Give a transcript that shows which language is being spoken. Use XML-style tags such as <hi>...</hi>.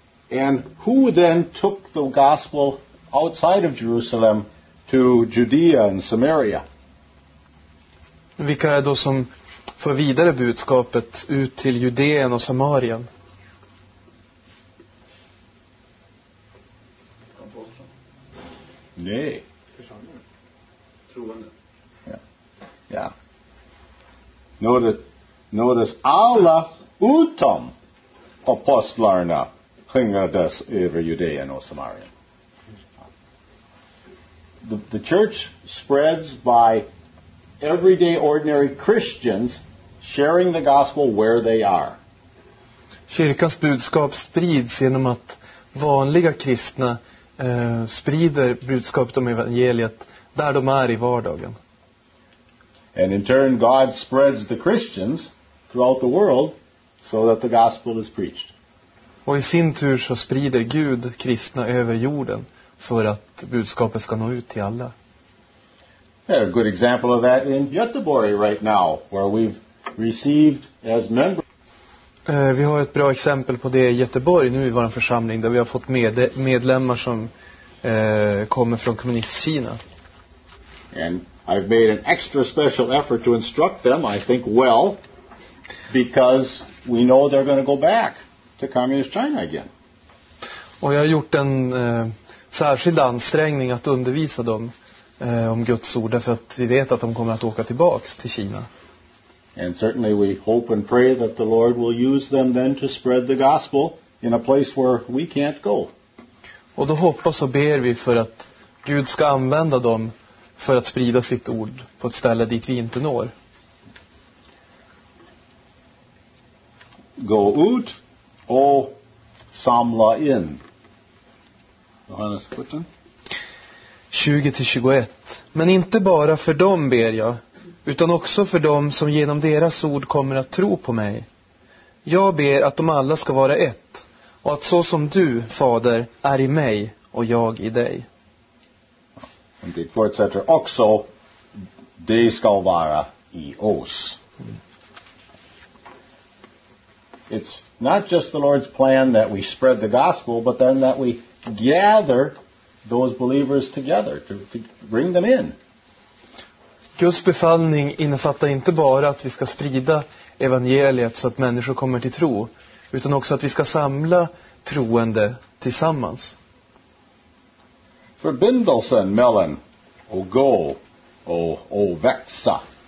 <en>And who then took the gospel outside of Jerusalem to Judea and Samaria?</en> <sv>Vilka är då som för vidare budskapet ut till Judeen och Samarien? Nej. Församlingen. Troende. Ja.</sv> <en>Notice</en> <sv>alla utom apostlarna skingrades över Judeen och Samarien.</sv> <en>The church spreads by everyday ordinary Christians sharing the gospel where they are.</en> <sv>Kyrkans budskap sprids genom att vanliga kristna sprider budskapet om evangeliet där de är i vardagen.</sv> <en>And in turn God spreads the Christians throughout the world so that the gospel is preached.</en> <sv>Och i sin tur så sprider Gud kristna över jorden för att budskapet ska nå ut till alla.</sv> <en>A good example of that in Göteborg right now where we've received as members.</en> <sv>Vi har ett bra exempel på det i Göteborg nu i vår församling där vi har fått medlemmar som kommer från Kommunistkina.</sv> <en>And I've made an extra special effort to instruct them, I think, well, because we know they're going to go back to communist China again.</en> <sv>Och jag har gjort en särskild ansträngning att undervisa dem om Guds ord, därför att vi vet att de kommer att åka tillbaks till Kina.</sv> <en>And certainly we hope and pray that the Lord will use them then to spread the gospel in a place where we can't go.</en> <sv>Och då hoppas och ber vi för att Gud ska använda dem för att sprida sitt ord på ett ställe dit vi inte når. Go ut och samla in. Johannes 17. 20-21. Men inte bara för dem ber jag, utan också för dem som genom deras ord kommer att tro på mig. Jag ber att de alla ska vara ett, och att så som du, Fader, är i mig och jag i dig. Och det fortsätter också, de ska vara i oss.</sv> <en>It's not just the Lord's plan that we spread the gospel, but then that we gather those believers together to bring them in.</en> <sv>Guds befallning innefattar inte bara att vi ska sprida evangeliet så att människor kommer till tro, utan också att vi ska samla troende tillsammans. Förbindelsen mellan och gå och växa.</sv>